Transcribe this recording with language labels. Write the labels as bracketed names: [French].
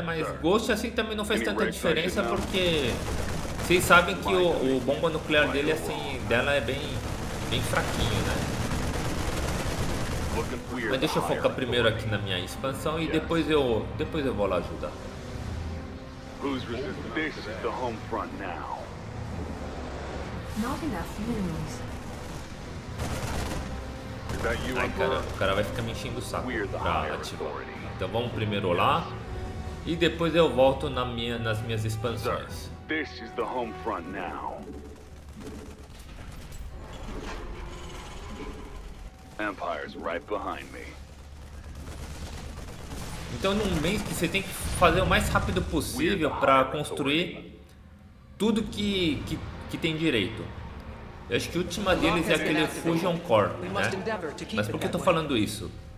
[Portuguese] Mas Ghost assim também não faz tanta diferença porque vocês sabem que o bomba nuclear dele assim dela é bem fraquinho, né? Mas deixa eu focar primeiro aqui na minha expansão e depois eu vou lá ajudar. [English] Who's resisting? This is the home front now. Not enough minions. [Portuguese] Ai, cara, o cara vai ficar me enchendo o saco pra ativar. Então vamos primeiro lá e depois eu volto nas minhas expansões. [English] This is the home front now. Empire's right behind me. [Portuguese] Então num mês que você tem que fazer o mais rápido possível para construir tudo que tem direito. Eu acho que a última deles é aquele Fusion Core, né? Mas por que eu tô falando isso?